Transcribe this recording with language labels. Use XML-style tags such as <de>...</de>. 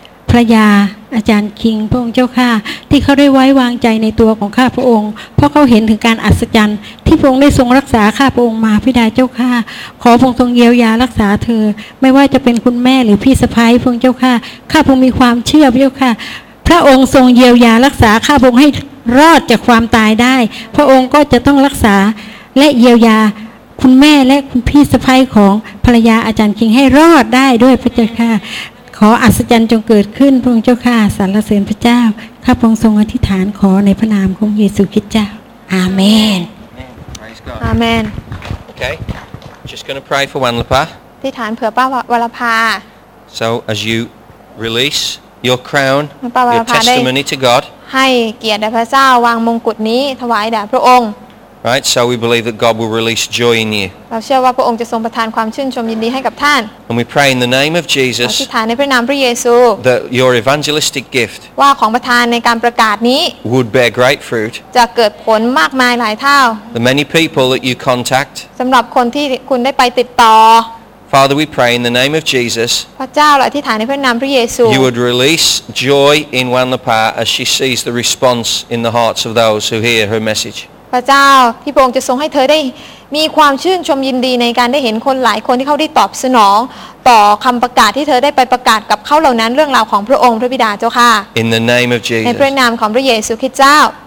<th>ภรรยาอาจารย์คิงพระองค์เจ้าค่ะที่เขาได้ไว้วางใจในตัวของข้าพระองค์เพราะเขาเห็นถึงการอัศจรรย์ที่พระองค์ได้ทรงรักษาข้าพระองค์มาพิดาเจ้าค่ะขอพระองค์ทรงเยียวยารักษาเธอไม่ว่าจะเป็นคุณแม่หรือพี่สะใภ้พระองค์เจ้าค่ะข้าพระองค์มีความเชื่อพระเจ้าค่ะพระองค์ทรงเยียวยารักษาข้าพระองค์ให้รอดจากความตายได้พระองค์ก็จะต้องรักษาและเยียวยา คุณแม่และคุณพี่สะใภ้ของภรรยาอาจารย์คิงให้รอดได้ด้วยพระเจ้าค่ะขออัศจรรย์จงเกิดขึ้นพระองค์เจ้าค่ะสรรเสริญพระเจ้าข้าพระองค์ทรงอธิษฐานขอในพระนามของเยซูคริสต์เจ้าอาเมน อาเมน</th> <en>โอเค just going to pray for Wanlapa</en> <th>อธิษฐานเผื่อป้าวรภา</th> <en>So as you release your crown your testimony to God</en> <th>ให้เกียรติแด่พระเจ้าวางมงกุฎนี้ถวายแด่พระองค์</th> <en>Right so we believe that God will release joy in you</en> <th>เราเชื่อว่าพระองค์จะทรงประทานความชื่นชมยินดีให้กับท่าน</th> <en>And we pray in the name of Jesus</en> <th>อธิษฐานในพระนามพระเยซู</th> <en>that your evangelistic gift</en> <th>ว่าของประทานในการประกาศนี้</th> <en>would bear great fruit</en> <th>จะเกิดผลมากมายหลายเท่า</th> <en>the many people that you contact</en> <th>สำหรับคนที่คุณได้ไปติดต่อ</th> <en>Father we pray in the name of Jesus</en> <th>พระเจ้าเราอธิษฐานในพระนามพระเยซู</th> <en>you would release joy in Wanlapa as she sees the response in the hearts of those who hear her message</en> <th>พระเจ้าที่พระองค์จะทรงให้เธอได้มีความชื่นชมยินดีในการได้เห็นคนหลายคนที่เขาได้ตอบสนองต่อคำประกาศที่เธอได้ไปประกาศกับเขาเหล่านั้นเรื่องราวของพระองค์พระบิดาเจ้าค่ะ</th> <en>In the name of Jesus</en> <th>ในพระนามของพระเยซูคริสต์เจ้า</th>